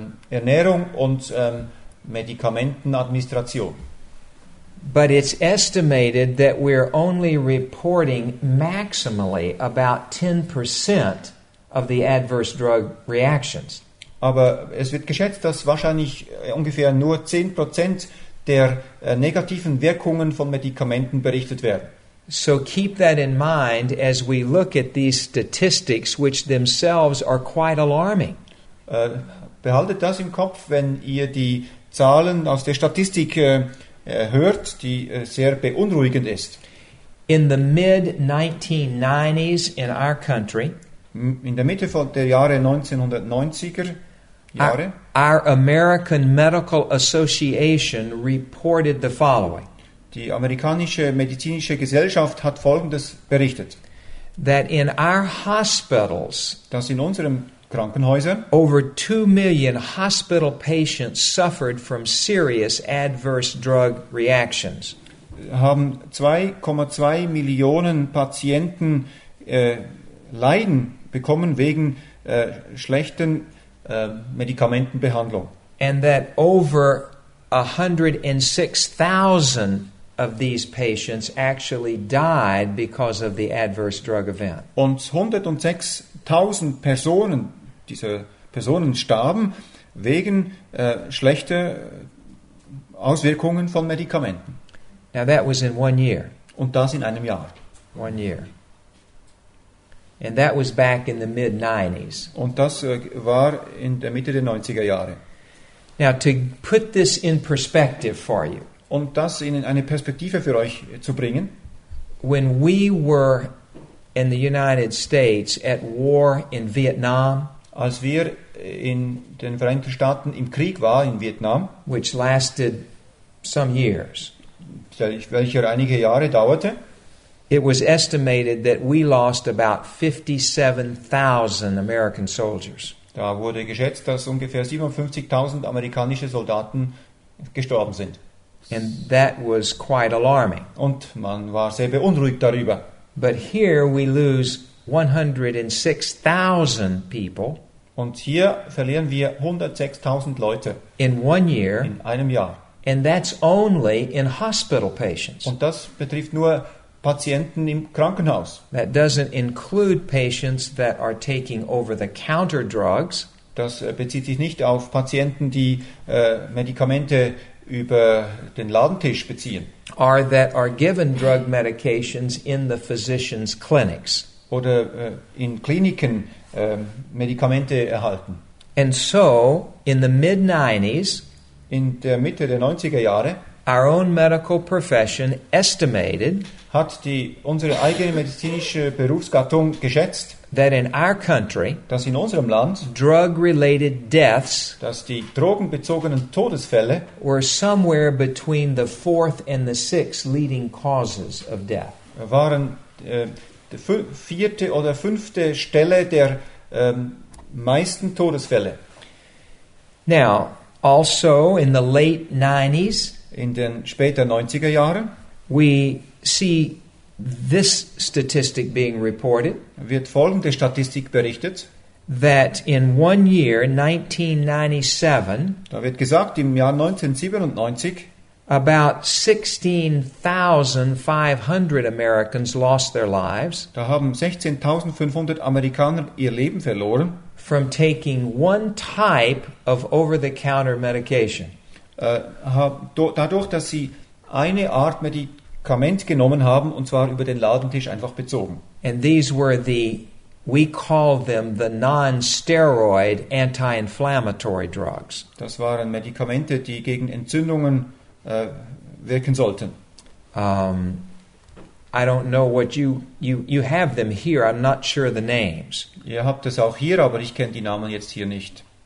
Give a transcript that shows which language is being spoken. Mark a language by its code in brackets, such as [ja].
[de] Ernährung und Medikamentenadministration. [en] But it's estimated that we're only reporting maximally about 10% of the adverse drug reactions. [de] Aber es wird geschätzt, dass wahrscheinlich ungefähr nur 10% der negativen Wirkungen von Medikamenten berichtet werden. [en] So keep that in mind as we look at these statistics, which themselves are quite alarming. [de] Behaltet das im Kopf, wenn ihr die Zahlen aus der Statistik hört, die sehr beunruhigend ist. [en] In the mid-1990s in our country, [de] in der Mitte von der Jahre 1990er Jahre, [en] our American Medical Association reported the following. [de] Die amerikanische medizinische Gesellschaft hat Folgendes berichtet. [en] That in our hospitals, [de] dass in unseren Krankenhäusern, [en] over 2 million hospital patients suffered from serious adverse drug reactions. [de] Haben 2,2 Millionen Patienten Leiden bekommen wegen schlechten Medikamentenbehandlung. [en] And that over 106,000 of these patients actually died because of the adverse drug event. [de] Und 106,000 Personen, diese Personen starben wegen schlechter Auswirkungen von Medikamenten. [en] Now that was in 1 year. [de] Und das in einem Jahr. [en] 1 year. And that was back in the mid-90s. [de] Und das war in der Mitte der 90er Jahre. [en] Now to put this in perspective for you. [de] Und das in eine Perspektive für euch zu bringen. [en] When we were in the United States at war in Vietnam. [de] Als wir in den Vereinigten Staaten im Krieg waren in Vietnam, [en] which lasted some years, [de] welcher einige Jahre dauerte, [en] it was estimated that we lost about 57,000 American soldiers. [de] Da wurde geschätzt, dass ungefähr 57,000 amerikanische Soldaten gestorben sind. [en] And that was quite alarming. [de] Und man war sehr beunruhigt darüber. [en] But here we lose 106,000 people. [de] Und hier verlieren wir 106,000 Leute [en] in 1 year, [de] in einem Jahr. [en] And that's only in hospital patients. [de] Und das betrifft nur Patienten im Krankenhaus. [en] That doesn't include patients that are taking over-the-counter drugs. [de] Das bezieht sich nicht auf Patienten, die Medikamente über den Ladentisch beziehen. [en] Or that are given drug medications in the physician's clinics. [de] Oder in Kliniken Medikamente erhalten. [en] And so, in the mid-90s, [de] in der Mitte der 90er Jahre, [en] our own medical profession estimated, [de] hat die unsere eigene medizinische Berufsgattung geschätzt, [en] that in our country, [de] dass in unserem Land, [en] drug-related deaths, [de] dass die drogenbezogenen Todesfälle, [en] were somewhere between the fourth and the sixth leading causes of death. [de] Waren vierte oder fünfte Stelle der meisten Todesfälle. [en] Now, also in the late 90s, [de] in den späten 90er Jahren, [en] we see this statistic being reported, [de] wird folgende Statistik berichtet, [en] that in 1 year, 1997, [de] da wird gesagt, im Jahr 1997, [en] About 16,500 Americans lost their lives. [de] Da haben 16,500 Amerikaner ihr Leben verloren. [en] From taking one type of over-the-counter medication. [de] Dadurch, dass sie eine Art Medikament genommen haben, und zwar über den Ladentisch einfach bezogen. [en] And these were the, we call them the non-steroid anti-inflammatory drugs. [de] Das waren Medikamente, die gegen Entzündungen wirken sollten. [en] I don't know what you have them here. I'm not sure the names. [de] Ihr habt es auch hier, aber ich kenne die Namen jetzt hier nicht.